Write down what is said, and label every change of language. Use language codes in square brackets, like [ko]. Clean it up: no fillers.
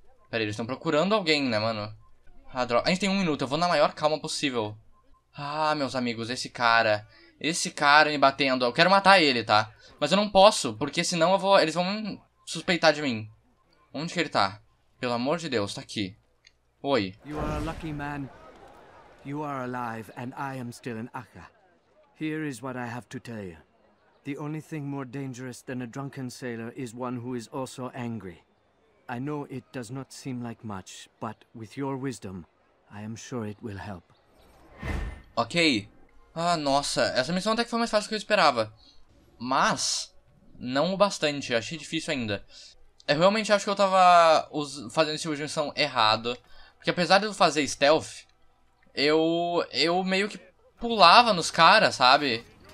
[pt] Peraí, eles estão procurando alguém, né, mano? Ah, droga. A gente tem um minuto. Eu vou na maior calma possível. Ah, meus amigos, esse cara. Esse cara me batendo. Eu quero matar ele, tá? Mas eu não posso, porque senão eu vou... Eles vão suspeitar de mim. Onde que ele tá? Pelo amor de Deus, tá aqui. Oi. [en] You are a lucky man. You are alive and I am still in Akka. Here is what I have to tell you. The only thing more dangerous than a drunken sailor is one who is also angry. I know it does not seem like much, but with your wisdom, I am sure it will help. [pt] Ok. Ah, nossa, essa missão até que foi mais fácil do que eu esperava. Mas, não o bastante, achei difícil ainda. Eu realmente acho que eu tava fazendo esse tipo de missão errado. Porque apesar de eu fazer stealth, eu meio que pulava nos caras, sabe?